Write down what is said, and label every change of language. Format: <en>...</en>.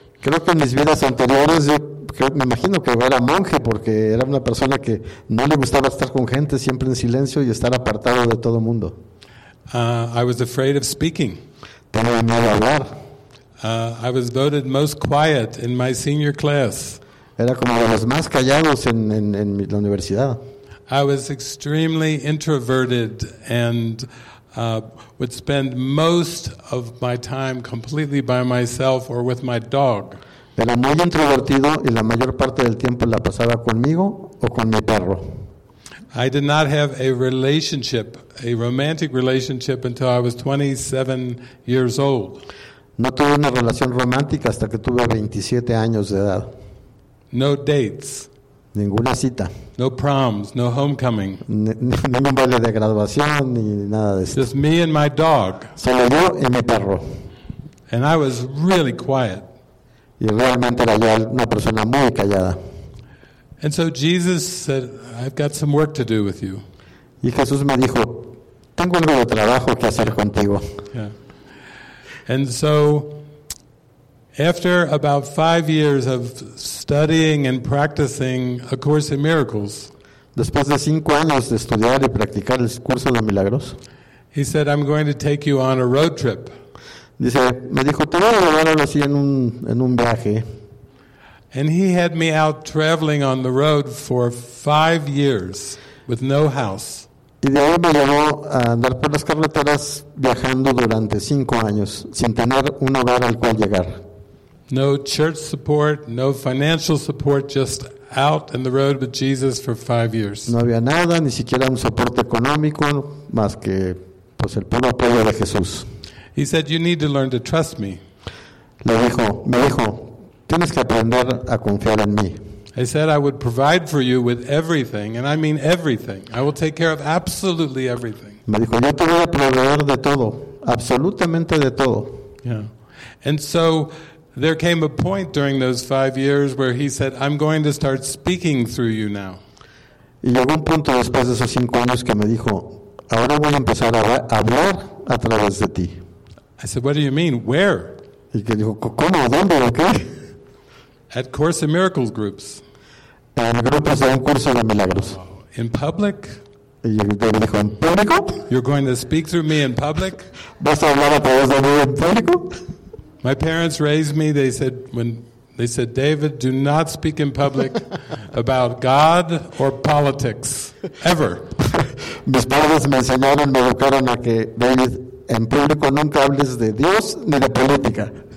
<es>Creo que en mis vidas anteriores, me imagino que era monje porque era una persona que no le gustaba estar con gente, siempre en silencio y estar apartado de todo mundo.</es> <en>I was afraid of speaking.</en> <es>Tenía miedo a hablar.</es> <en>I was voted most quiet in my senior class.</en> <es>Era como de los más callados en la universidad.</es> <en>I was extremely introverted and would spend most of my time completely by myself or with my dog.</en> <es>Era muy introvertido y la mayor parte del tiempo la pasaba conmigo o con mi perro.</es> <en>I did not have a romantic relationship until I was 27 years old.</en> <es>No tuve una relación romántica hasta que tuve 27 años de edad.</es> <en>No dates.</en> <es>Ninguna cita.</es> <en>No proms, no homecoming.</en> <es>Ni un baile de graduación ni nada de eso.</es> <en>Just me and my dog.</en> <es>Solo yo y mi perro.</es> <en>And I was really quiet.</en> <es>Y realmente era yo una persona muy callada.</es> <en>And so Jesus said, "I've got some work to do with you."</en> <es>Y Jesús me dijo, "Tengo algo de trabajo que hacer contigo."</es> <en>Yeah. And so after about 5 years of studying and practicing A Course in Miracles,</en> <es>después de 5 años de estudiar y practicar el curso de milagros,</es> <en>he said, "I'm going to take you on a road trip."</en> <es>Dice, me dijo, te voy a llevar así en un viaje.</es> <en>And he had me out traveling on the road for 5 years with no house.</en> <es>Y de ahí me llevó a andar por las carreteras viajando durante 5 años sin tener un hogar al cual llegar.</es> <en>No church support, no financial support, just out in the road with Jesus for 5 years.</en> <es>No había nada, ni siquiera un soporte económico, más que pues el puro apoyo de Jesús.</es> <en>He said, "You need to learn to trust me."</en> <es>Me dijo, tienes que aprender a confiar en mí.</es> <en>I said, "I would provide for you with everything, and I mean everything. I will take care of absolutely everything."</en> <es>Me dijo, yo te voy a proveer de todo, absolutamente de todo.</es> <en>Yeah, and so there came a point during those 5 years where he said, "I'm going to start speaking through you now."</en> <es>Y llegó un punto después de esos 5 años que me dijo, ahora voy a empezar a hablar a través de ti.</es> <en>I said, "What do you mean? Where?"</en> <es>Y que dijo, ¿cómo? ¿Dónde? ¿O qué?</es> <en>At Course in Miracles groups.</en> <es>En grupos de Un Curso de Milagros.</es> <en>In public?</en> <es>Y me dijo, ¿en público?</es> <en>You're going to speak through me in public?</en> <es>¿Vas a hablar a través de mí en público?</es> <en>My parents raised me. They said, David, do not speak in public about God or politics, ever.</en> <es>Mis padres me enseñaron, me educaron a que, David, en público nunca hables de Dios ni de política.</es>